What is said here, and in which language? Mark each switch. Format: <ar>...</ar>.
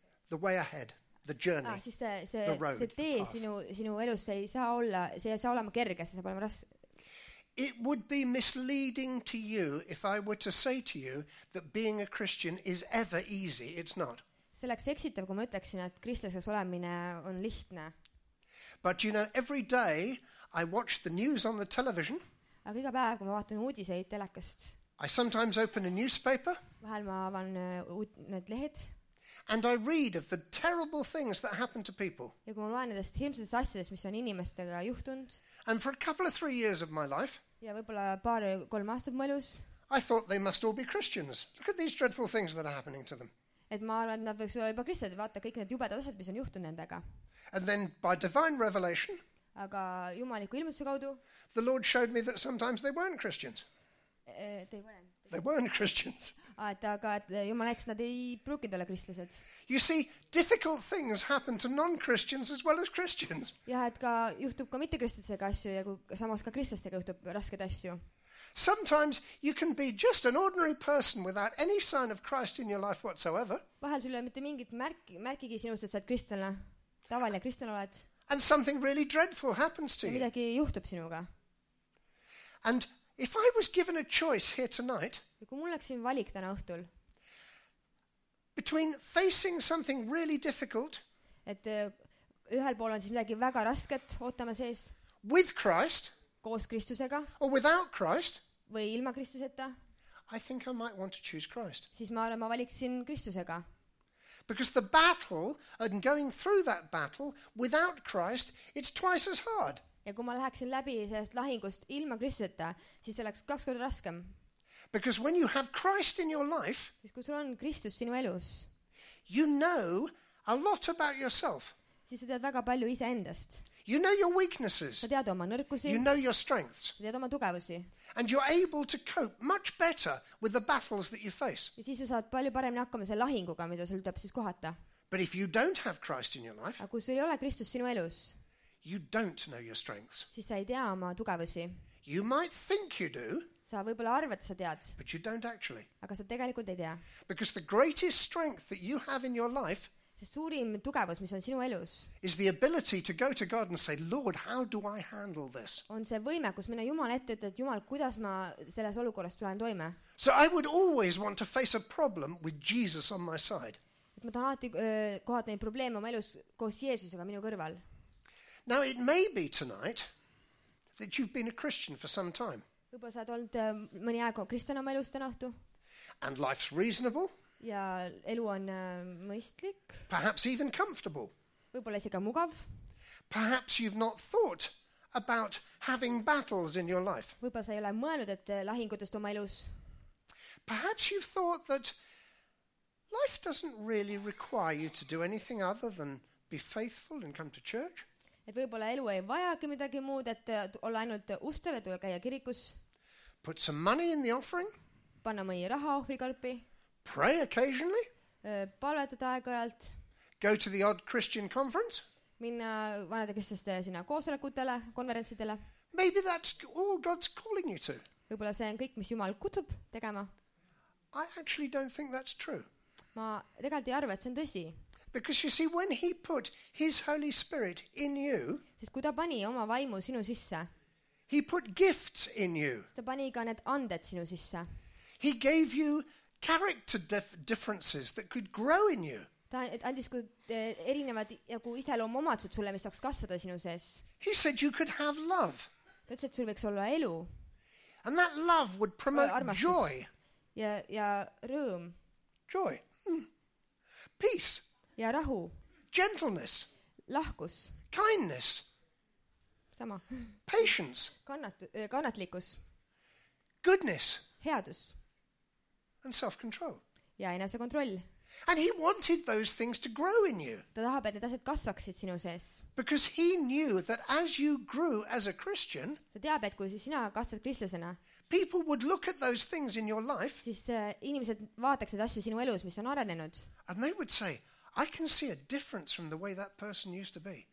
<en>the way ahead, the journey.</en> <et>Ah, siis see</et> <en>the road,</en> <et>see tee sinu elus ei saa olla, see ei saa olema kerge, see saab olema raske.</et> <en>It would be misleading to you if I were to say to you that being a Christian is ever easy. It's not.</en> <et>Selleks eksitav, kui ma ütleksin, et kristlases olemine on lihtne.</et> <en>But you know, every day I watch the news on the television.</en> <et>Aga iga päev, kui ma vaatan uudiseid telekast.</et> <en>I sometimes open a newspaper.</en> <et>Vahel ma avan need lehed.</et> <en>And I read of the terrible things that happen to people.</en> <et>Ja kui ma loen nendest hirmsadest asjadest, mis on inimestega juhtunud.</et> <en>And for a couple of 3 years of my life,</en> <et>ja võib-olla paar kolm aastat mõelus,</et> <en>I thought they must all be Christians. Look at these dreadful things that are happening to them.</en> <et>Et ma arvan, et nad võiks olla juba kristlased, vaata kõik need jubedad asjad, mis on juhtunud nendega.</et> <en>And then by divine revelation,</en> <et>aga jumaliku ilmutuse kaudu,</et> <en>the Lord showed me that sometimes they weren't Christians. They weren't Christians.</en> <et>Aga jumal näitas, nad ei pruukinud olla kristlased.</et> <en>You see, difficult things happen to non-Christians as well as Christians.</en> <et>Ja et ka juhtub ka mittekristlastega asju ja kui samas ka kristlastega juhtub rasked asju.</et> <en>Sometimes you can be just an ordinary person without any sign of Christ in your life whatsoever.</en> <et>Vahel sul mitte mingit märkigi sinust, et sa oled kristlane. Tavaline kristlane oled.</et> <en>And something really dreadful happens to you.</en> <et>Midagi juhtub sinuga.</et> <en>And if I was given a choice here tonight,</en> <et>ja kui mul oleksin valik täna õhtul,</et> <en>between facing something really difficult,</en> <et>et ühel pool on siis midagi väga rasket ootama sees,</et> <en>with Christ,</en> <et>koos Kristusega,</et> <en>or without Christ,</en> <et>või ilma Kristuseta,</et> <en>I think I might want to choose Christ.</en> <et>Siis ma arvan, ma valiksin Kristusega.</et> <en>Because the battle and going through that battle without Christ, it's twice as hard.</en> <et>Ja kui ma läheksin läbi sellest lahingust ilma Kristuseta, siis see oleks kaks korda raskem.</et> <en>Because when you have Christ in your life,</en> <et>siis kui sul on Kristus sinu elus,</et> <en>you know a lot about yourself.</en> <et>Siis sa tead väga palju ise endast.</et> <en>You know your weaknesses.</en> <et>Sa tead oma nõrkusi.</et> <en>You know your strengths.</en> <et>Sa tead oma tugevusi.</et> <en>And you're able to cope much better with the battles that you face.</en> <et>Ja siis sa saad palju paremini hakkama selle lahinguga, mida sul tuleb siis kohata.</et> <en>But if you don't have Christ in your life,</en> <et>aga kui sul ei ole Kristus sinu elus,</et> <en>you don't know your strengths.</en> <et>Siis sa ei tea oma tugevusi.</et> <en>You might think you do.</en> <et>Sa võib-olla arvad, sa tead.</et> <en>But you don't actually.</en> <et>Aga sa tegelikult ei tea.</et> <en>Because the greatest strength that you have in your life,</en> <et>see suurim tugevus, mis on sinu elus,</et> <en>is the ability to go to God and say, Lord, how do I handle this?</en> <et>On see võime, kus mine Jumal ette, et Jumal, kuidas ma selles olukorras tulen toime.</et> <en>So I would always want to face a problem with Jesus on my side.</en> <et>Et ma tahan alati kohata neid probleeme oma elus koos Jeesusega minu kõrval.</et> <en>Now it may be tonight that you've been a Christian for some time.</en> <et>Võib-olla sa oled olnud mõni aeg kristlane oma elus täna õhtu.</et> <en>And life's reasonable.</en> <et>Ja elu on mõistlik.</et> <en>Perhaps even comfortable.</en> <et>Võib-olla isegi mugav.</et> <en>Perhaps you've not thought about having battles in your life.</en> <et>Võib-olla sa ei ole mõelnud, et lahingutest oma elus.</et> <en>Perhaps you've thought that life doesn't really require you to do anything other than be faithful and come to church.</en> <et>Et võib-olla elu ei vajagi midagi muud, et olla ainult ustav ja käia kirikus.</et> <en>Put some money in the offering.</en> <et>Panna mõni raha ohvrikarpi.</et> <en>Pray occasionally.</en> <et>Palvetada aeg-ajalt.</et> <en>Go to the odd Christian conference.</en> <et>Minna vanade kristlaste sinna koosolekutele, konverentsidele.</et> <en>Maybe that's all God's calling you to.</en> <et>Võib-olla see on kõik, mis Jumal kutub tegema.</et> <en>I actually don't think that's true.</en> <et>Ma tegelikult ei arva, et see on tõsi.</et> <en>Because you see, when he put his Holy Spirit in you,</en> <et>sest kui ta pani oma vaimu sinu sisse,</et> <en>he put gifts in you.</en> <et>Ta pani ka need anded sinu sisse.</et> <en>He gave you character differences that could grow in you.</en> <et>Ta andis kui erinevad ja kui iseloom omadused sulle, mis saaks kasvada sinu sees.</et> <en>He said you could have love.</en> <et>Ta ütles, et sul võiks olla elu.</et> <en>And that love would promote joy.</en> <et>Ja rõõm.</et> <en>Joy. Peace.</en> <et>Ja rahu.</et> <en>Gentleness.</en> <et>Lahkus.</et> <en>Kindness.</en> <et>Sama.</et> <en>Patience.</en> <et>Kannatlikkus.</et> <en>Goodness.</en> <et>Headus.</et> <en>And self-control.</en> <et>Ja enese kontroll.</et> <en>And he wanted those things to grow in you.</en> <et>Ta tahab, et need asjad kasvaksid sinu sees.</et> <en>Because he knew that as you grew as a Christian,</en> <et>ta teab, et kui sina kasvad kristlasena,</et> <en>people would look at those things in your life,</en> <et>siis inimesed vaataksid asju sinu elus, mis on arenenud.</et> <en>And they would say, I can see a difference from the way that person used to be.</en>